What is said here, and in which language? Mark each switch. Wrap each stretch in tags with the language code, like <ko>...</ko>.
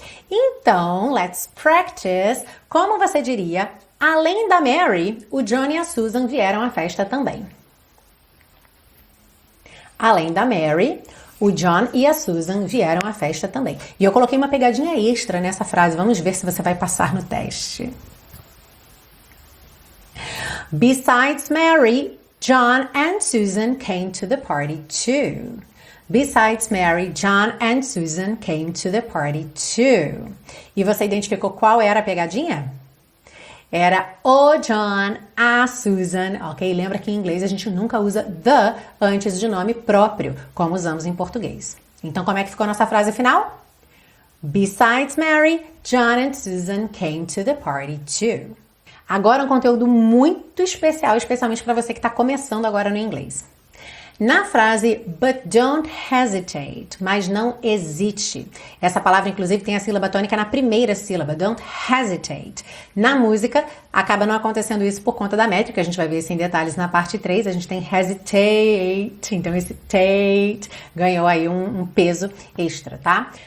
<pt>Então,</pt> <en>let's practice.</en> <pt>Como você diria, além da Mary, o John e a Susan vieram à festa também? Além da Mary, o John e a Susan vieram à festa também. E eu coloquei uma pegadinha extra nessa frase. Vamos ver se você vai passar no teste.</pt> <en>Besides Mary, John and Susan came to the party too. Besides Mary, John and Susan came to the party too.</en> <pt>E você identificou qual era a pegadinha? Era o John, a Susan, ok? Lembra que em inglês a gente nunca usa the antes de nome próprio, como usamos em português. Então, como é que ficou nossa frase final?</pt> <en>Besides Mary, John and Susan came to the party too.</en> <pt>Agora um conteúdo muito especial, especialmente para você que está começando agora no inglês. Na frase,</pt> <en>but don't hesitate,</en> <pt>mas não hesite. Essa palavra, inclusive, tem a sílaba tônica na primeira sílaba,</pt> <en>don't hesitate.</en> <pt>Na música, acaba não acontecendo isso por conta da métrica, a gente vai ver isso em detalhes na parte 3, a gente tem hesitate, então esse tate ganhou aí um peso extra, tá?</pt>